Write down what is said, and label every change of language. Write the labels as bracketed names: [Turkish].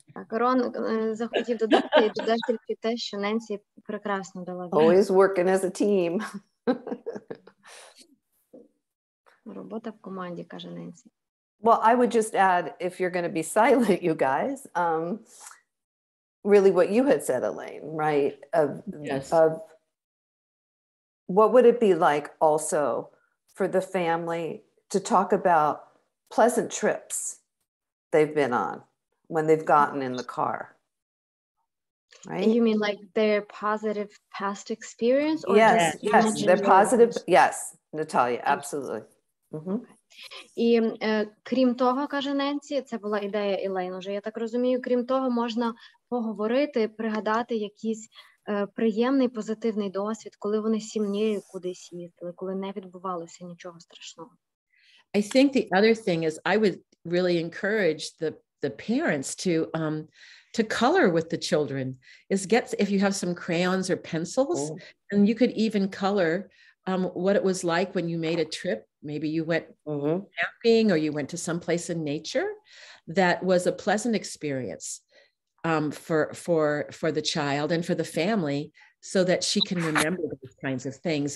[Ukrainian] Рон захотів додати і додав тільки те, що Ненсі прекрасно дала. [English] Always working as a team. [Ukrainian] Робота в команді, каже Ненсі. [English] Well, I would just add, if you're going to be silent, you guys, really what you had said, Elaine, right? Of what would it be like also for the family to talk about pleasant trips they've been on when they've gotten in the car? Right? You mean like their positive past experience? Or yes, just yes, their positive, yes, Natalia, absolutely. Mm-hmm. [Ukrainian] І крім того, каже Ненсі, це була ідея Елейн, уже я так розумію, крім того, можна поговорити, пригадати якийсь приємний, позитивний досвід, коли вони сім'єю кудись їздили, коли не відбувалося нічого страшного. [English] I think the other thing is I would really encourage the parents to color with the children. If you have some crayons or pencils, and you could even color what it was like when you made a trip. Maybe you went camping or you went to some place in nature that was a pleasant experience for the child and for the family, so that she can remember those kinds of things.